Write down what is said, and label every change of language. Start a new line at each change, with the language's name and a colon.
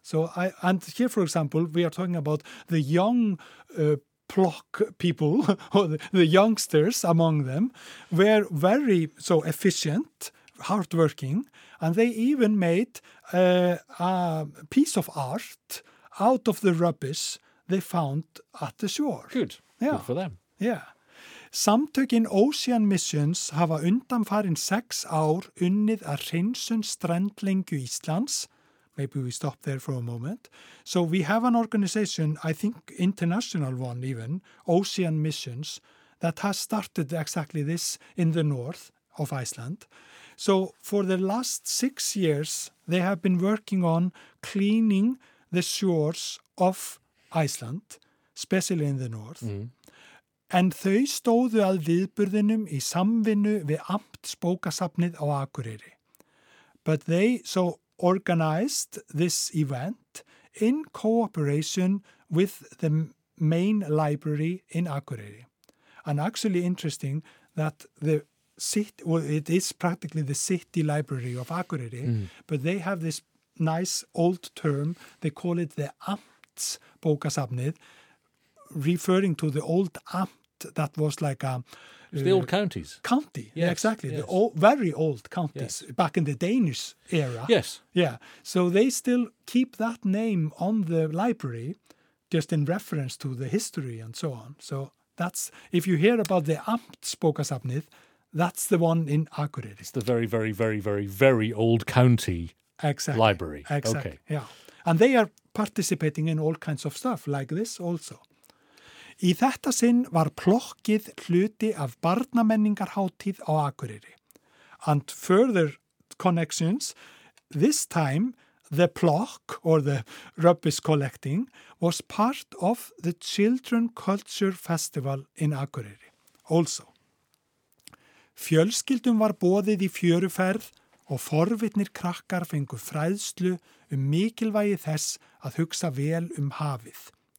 English: So and here, for example, we are talking about the young plock people, or the youngsters among them, were very so efficient, hardworking, and they even made a piece of art out of the rubbish they found at the shore. Good. Yeah. Good for them. Yeah.
Icelandic: Samtökin Ocean Missions hafa undanfarin 6 ár unnið að hreinsun strandlengju Íslands.
English: Maybe we stop there for a moment. So we have an organization, I think international one even, Ocean Missions, that has started exactly this in the north of Iceland. So for the last 6 years, they have been working on cleaning the shores of Iceland, especially in the north. Mm.
Icelandic: En þau stóðu að viðburðinum í samvinnu við Amt spókasafnið á Akureyri.
English: But they so organized this event in cooperation with the main library in Akureyri. And actually interesting that the city, well, it is practically the city library of Akureyri, mm. but they have this nice old term, they call it the Amts bókasafnið, referring to the old Amt. That was like the old counties. County, yes, yeah, exactly. Yes. The old, very old counties yes. back in the Danish era. Yes. Yeah. So they still keep that name on the library just in reference to the history and so on. So that's, if you hear about the Amtsbókasafnið, that's the one in Akureyri. It's the very, very, very, very, very old county exactly. library. Exactly. Okay. Yeah. And they are participating in all kinds of stuff like this also.
Icelandic: Í þetta sinn var plokkið hluti af barnamenningarhátíð á Akureyri.
English: And further connections, this time the plokk or the rubbish collecting was part of the Children Culture Festival in Akureyri also.
Icelandic: Fjölskyldum var boðið í fjöruferð og forvitnir krakkar fengu fræðslu mikilvægi þess að hugsa vel hafið.